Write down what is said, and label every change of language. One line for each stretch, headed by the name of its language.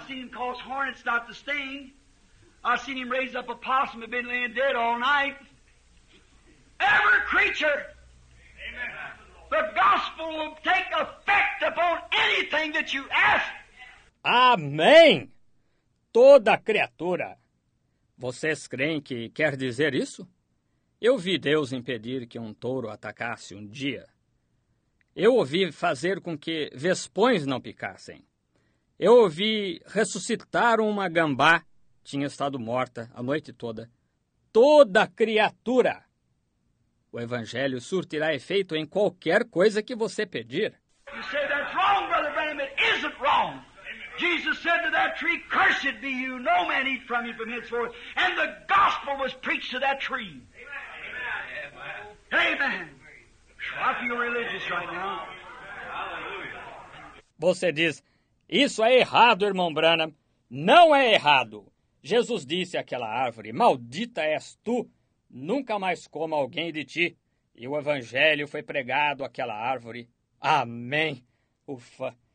English: I seen him cause hornets not to sting. I seen him raise up a possum that had been laying dead all night. Every creature. Amen. The gospel will take effect upon anything that you ask.
Portuguese: Amém. Toda criatura. Vocês creem que quer dizer isso? Eu vi Deus impedir que um touro atacasse um dia. Eu ouvi fazer com que vespões não picassem. Eu ouvi ressuscitar uma gambá. Tinha estado morta a noite toda. Toda criatura. O evangelho surtirá efeito em qualquer coisa que você pedir. Você diz que é errado, Brother Branham. Não é errado.
English: Jesus said to that tree, cursed be you, no man eat from you from henceforth. And the gospel was preached to that tree. Amen. Amen. Amen. Amen. I feel religious right now. Hallelujah.
Portuguese: Você diz, isso é errado, irmão Branham. Não é errado. Jesus disse àquela árvore, maldita és tu, nunca mais coma alguém de ti. E o evangelho foi pregado àquela árvore. Amém. Ufa.